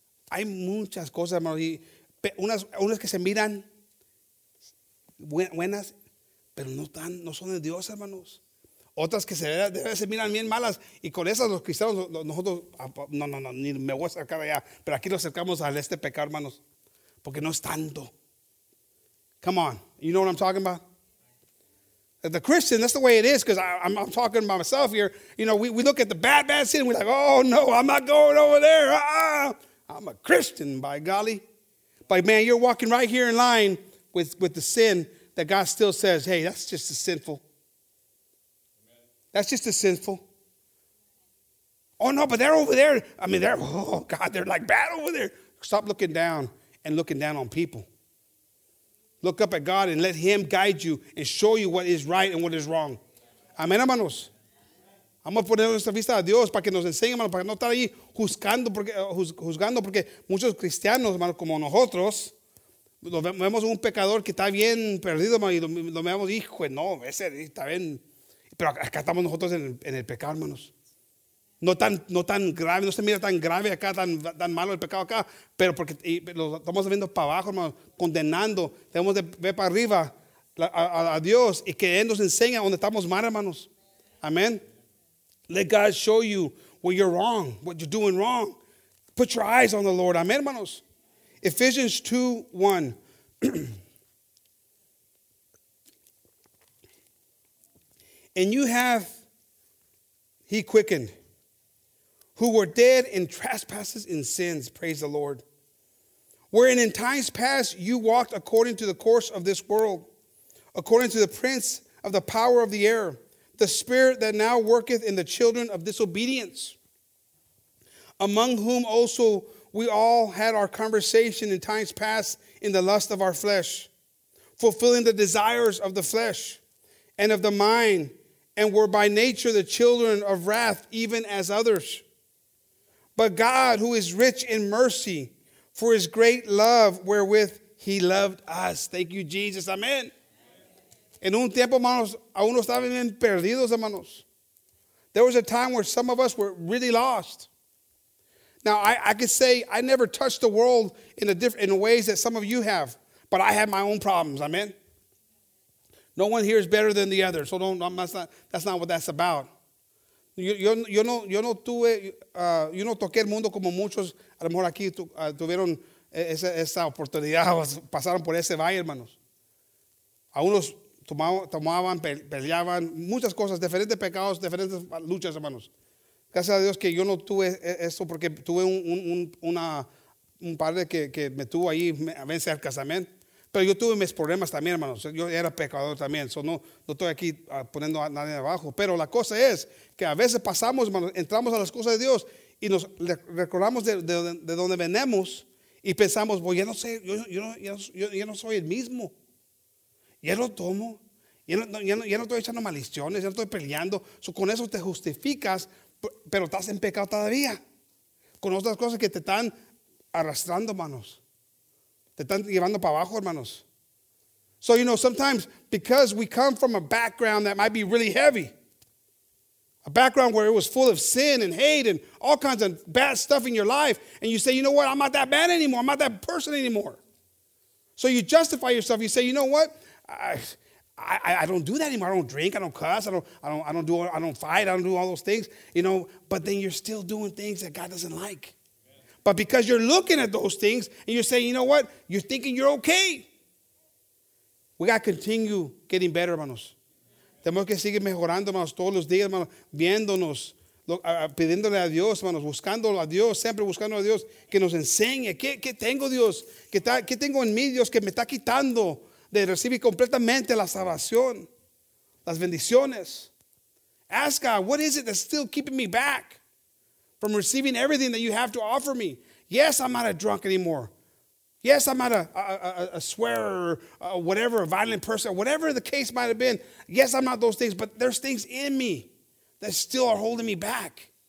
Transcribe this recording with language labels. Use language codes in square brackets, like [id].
[es] Hay muchas cosas, hermanos, y unas que se miran buenas, pero no son de Dios, hermanos. Otras que se miran bien malas, y con esas los cristianos, nosotros, no, ni me voy a acercar allá, pero aquí nos acercamos a este pecado, hermanos, porque no es tanto. [en] Come on, you know what I'm talking about? The Christian, that's the way it is, because I'm talking about myself here. You know, we look at the bad sin, and we're like, oh, no, I'm not going over there. I'm a Christian, by golly. But, man, you're walking right here in line with the sin that God still says, hey, that's just a sinful. That's just a sinful. Oh, no, but they're over there. I mean, they're like bad over there. Stop looking down and looking down on people. Look up at God and let him guide you and show you what is right and what is wrong. [es] Amén, hermanos. Vamos a poner nuestra vista a Dios para que nos enseñe, hermanos, para no estar ahí juzgando, porque muchos cristianos, hermanos, como nosotros, vemos un pecador que está bien perdido, hermanos, y lo vemos, hijo, no, ese está bien. Pero acá estamos nosotros en el pecado, hermanos. No tan grave, no se mira tan grave acá, tan malo el pecado acá, pero porque lo estamos viendo para abajo, hermanos, condenando. Tenemos de ver para arriba a Dios y que Él nos enseña dónde estamos mal, hermanos. Amén. [en] Let God show you where you're wrong, what you're doing wrong. Put your eyes on the Lord. [es] Amén, hermanos. [en] Ephesians 2:1. And you have he quickened, who were dead in trespasses and sins, praise the Lord. Wherein in times past you walked according to the course of this world, according to the prince of the power of the air, the spirit that now worketh in the children of disobedience, among whom also we all had our conversation in times past in the lust of our flesh, fulfilling the desires of the flesh and of the mind, and were by nature the children of wrath, even as others. But God, who is rich in mercy, for his great love wherewith he loved us. Thank you, Jesus. Amen. [es] En un tiempo, hermanos, aún estaban perdidos, hermanos. [en] There was a time where some of us were really lost. Now, I could say I never touched the world in ways that some of you have, but I have my own problems. Amen. No one here is better than the other, so don't. That's not what that's about. [es] Yo no toqué el mundo como muchos a lo mejor aquí tuvieron esa oportunidad, pasaron por ese valle, hermanos. A unos tomaban, peleaban, muchas cosas, diferentes pecados, diferentes luchas, hermanos. Gracias a Dios que yo no tuve eso porque tuve un padre que me tuvo ahí bien cerca, amén. Pero yo tuve mis problemas también, hermanos. Yo era pecador también. So no estoy aquí poniendo a nadie abajo. Pero la cosa es que a veces pasamos, hermanos, entramos a las cosas de Dios y nos recordamos de donde venimos y pensamos, well, ya no soy el mismo. Ya lo tomo. Ya no estoy echando maldiciones. Ya no estoy peleando. So con eso te justificas, pero estás en pecado todavía. Con otras cosas que te están arrastrando, hermanos. Te están llevando para abajo, hermanos. [en] So, you know, sometimes because we come from a background that might be really heavy, a background where it was full of sin and hate and all kinds of bad stuff in your life, and you say, you know what, I'm not that bad anymore. I'm not that person anymore. So you justify yourself. You say, you know what, I don't do that anymore. I don't drink. I don't cuss. I don't fight. I don't do all those things, you know. But then you're still doing things that God doesn't like. But because you're looking at those things and you're saying, you know what? You're thinking you're okay. We got to continue getting better, hermanos. [es] Tenemos que seguir mejorando, hermanos, todos los días, hermanos, viéndonos, pidiéndole a Dios, hermanos, buscando a Dios, siempre buscando a Dios, que nos enseñe. ¿Qué tengo, Dios? ¿Qué tengo en mí, Dios, que me está quitando de recibir completamente la salvación, las bendiciones? [en] Ask God, what is it that's still keeping me back from receiving everything that you have to offer me? Yes, I'm not a drunk anymore. Yes, I'm not a swearer, or whatever, a violent person, whatever the case might have been. Yes, I'm not those things, but there's things in me that still are holding me back.